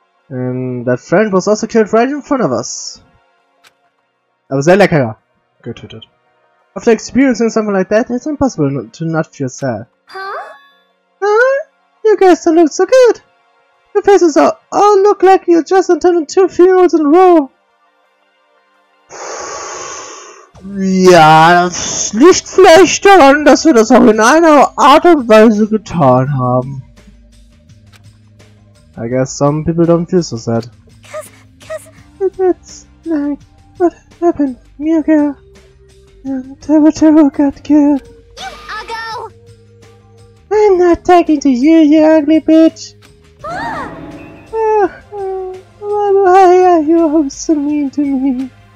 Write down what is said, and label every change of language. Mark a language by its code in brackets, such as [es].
[en] And that friend was also killed right in front of us. [de] Aber sehr lecker getötet. [en] After experiencing something like that, it's impossible to not feel sad. Huh? Huh? You guys don't look so good! Your faces all look like you just attended 2 funerals in a row! [de] Ja, das liegt vielleicht daran, dass wir das auch in einer Art und Weise getan haben. [en] I guess some people don't feel so sad. What happened? Me okay? And Tabo got killed. You uggo! I'm not talking to you, you ugly bitch! Why are you always so mean to me?